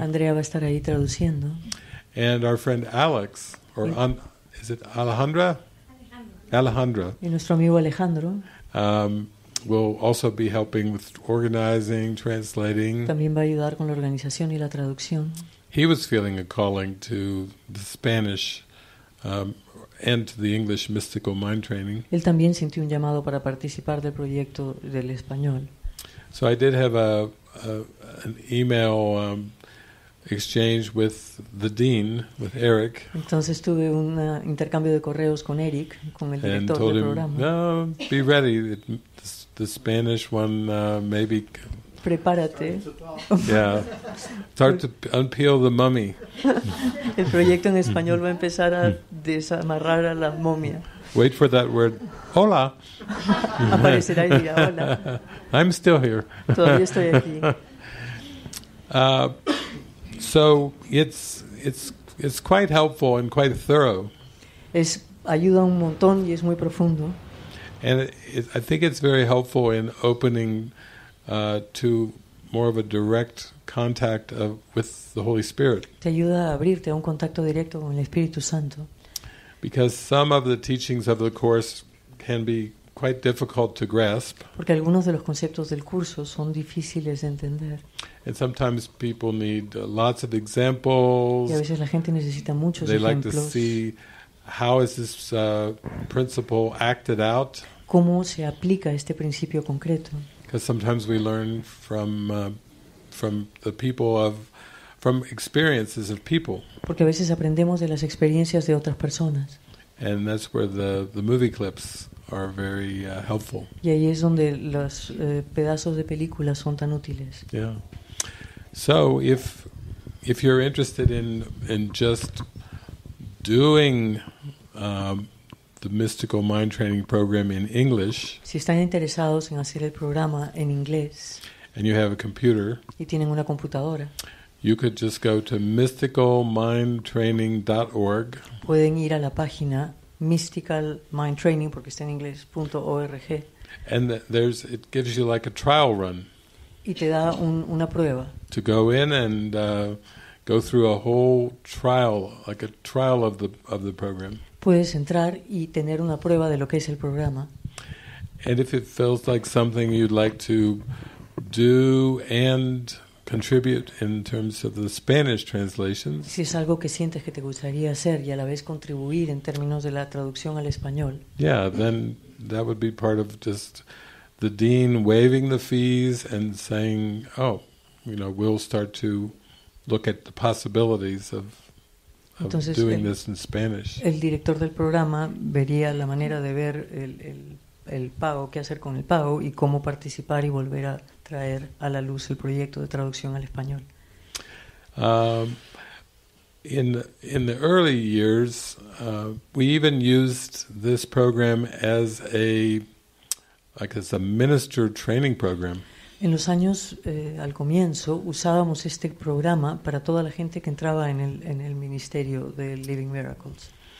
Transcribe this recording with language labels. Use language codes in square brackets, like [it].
[es] Andrea va a estar ahí traduciendo. [en] And our friend Alex, is it Alejandra? Alejandra. [es] Y nuestro amigo Alejandro. [en] Will also be helping with organizing, translating. [es] También va a ayudar con la organización y la traducción. [en] He was feeling a calling to the Spanish and to the English mystical mind training. [es] Él también sintió un llamado para participar del proyecto del español. [en] So I did have an email exchange with the dean, with Eric. [es] Entonces tuve un intercambio de correos con Eric, con el director del programa. [en] And told him, "No, be ready. The Spanish one maybe." [es] Prepárate. [en] Yeah, start to unpeel the mummy. [es] El proyecto en español va a empezar a desamarrar a la momia. [en] Wait for that word. Hola. [es] Aparecerá y dirá hola. [en] I'm still here. [es] Todavía estoy aquí. [en] So it's quite helpful and quite thorough. [es] Es ayuda un montón y es muy profundo. [en] And I think it's very helpful in opening to more of a direct contact with the Holy Spirit. [es] Te ayuda a abrirte a un contacto directo con el Espíritu Santo. [en] Because some of the teachings of the course can be quite difficult to grasp. [es] Porque algunos de los conceptos del curso son difíciles de entender. [en] And sometimes people need lots of examples. [es] Y a veces la gente necesita muchos [en] they [es] ejemplos. [en] They like to see how is this principle acted out. [es] ¿Cómo se aplica este principio concreto? [en] Because sometimes we learn from experiences of people. [es] Porque a veces aprendemos de las experiencias de otras personas. [en] And that's where the movie clips are very helpful. [es] Y ahí es donde los pedazos de películas son tan útiles. [en] Yeah. So if you're interested in just doing the mystical mind training program in English, [es] si están interesados en hacer el programa en inglés, [en] and you have a computer, [es] y tienen una computadora, [en] you could just go to mysticalmindtraining.org. [es] Pueden ir a la página mysticalmindtraining porque está en inglés .org. [en] And there's it gives you like a trial run. [es] Y te da una prueba. [en] To go in and go through a whole trial, like a trial of the program. [es] Puedes entrar y tener una prueba de lo que es el programa. [en] And if it feels like something you'd like to do and contribute in terms of the Spanish translations. [es] Si es algo que sientes que te gustaría hacer y a la vez contribuir en términos de la traducción al español. [en] Yeah, then that would be part of just the dean waiving the fees and saying, "Oh, you know, we'll start to look at the possibilities of [es] entonces, [en] doing this in Spanish." [es] El director del programa vería la manera de ver el pago, qué hacer con el pago y cómo participar y volver a traer a la luz el proyecto de traducción al español. [en] In the early years, we even used this program as a minister training program. [es] En los años al comienzo usábamos este programa para toda la gente que entraba en el ministerio de Living Miracles.